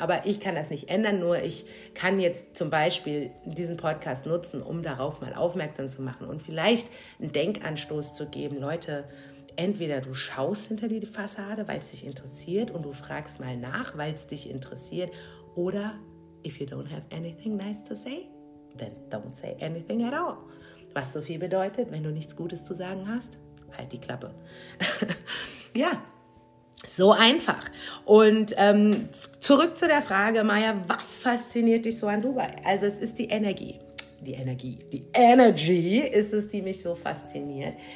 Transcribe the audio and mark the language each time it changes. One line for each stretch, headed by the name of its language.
German: Aber ich kann das nicht ändern, nur ich kann jetzt zum Beispiel diesen Podcast nutzen, um darauf mal aufmerksam zu machen und vielleicht einen Denkanstoß zu geben. Leute, entweder du schaust hinter die Fassade, weil es dich interessiert, und du fragst mal nach, weil es dich interessiert.
English: Oder if you don't have anything nice to say, then don't say anything at all.
German: Was so viel bedeutet, wenn du nichts Gutes zu sagen hast, halt die Klappe. Ja, so einfach. Und zurück zu der Frage, Maya, was fasziniert dich so an Dubai? Also es ist die Energie. Die Energy ist es, die mich so fasziniert.